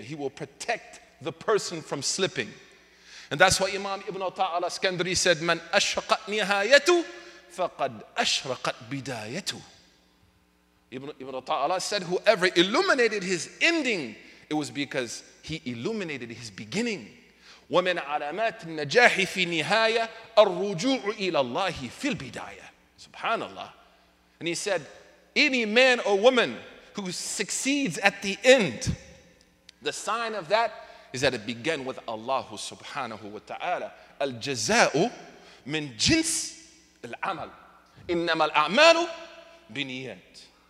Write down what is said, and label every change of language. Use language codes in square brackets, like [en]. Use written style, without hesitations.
[en] He will protect the person from slipping. And that's why Imam Ibn Ta'al Iskandari said, [ar] man ashraqat nihayatu, faqad ashraqat bidayatu. [en] Ibn Ta'ala said, whoever illuminated his ending, it was because he illuminated his beginning. [ar] وَمِنْ عَلَمَاتِ النَّجَاحِ فِي نِهَايَةِ الرُّجُوعُ إِلَى اللَّهِ فِي الْبِدَايَةِ SubhanAllah. [en] And he said, any man or woman who succeeds at the end, the sign of that is that it began with Allah subhanahu wa ta'ala. [ar] Al-jaza'u min jins al-amal. Innama al-a'malu biniyat.